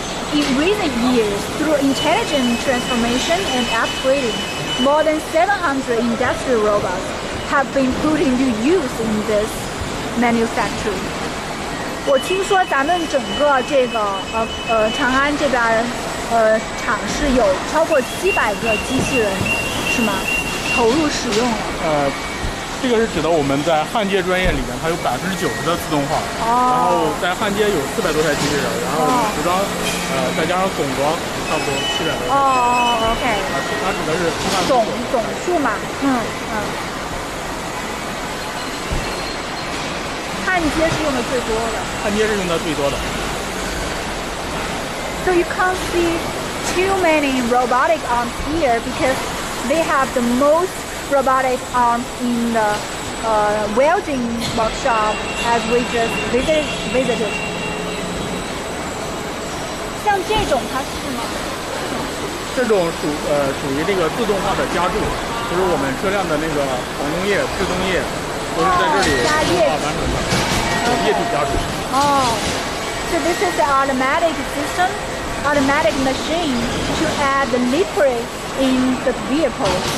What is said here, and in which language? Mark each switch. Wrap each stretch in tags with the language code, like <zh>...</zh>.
<en>In recent years, through intelligent transformation and upgrading, more than 700 industrial robots have been put into use in this manufacturing.</en> <zh>我听说咱们整个这个长安这边厂是有超过700个机器人，是吗？投入使用了。这个是指的我们在焊接专业里面，它有90%的自动化。哦。然后在焊接有400多台机器人，然后组装，再加上总装，差不多700多台。</zh> <en>OK。</en> <zh>它指的是总数嘛？嗯。焊接是用的最多的。</zh> <en>So you can't see too many robotic arms here because they have the most robotic arms in the welding workshop as we just visited.</en> <zh>像这种它是吗？这种属于这个自动化的加注，就是我们车辆的那个防冻液、制冻液都是在这里自动化完成的。</zh> <en>So this is the automatic system, automatic machine to add the liquid in the vehicle.</en>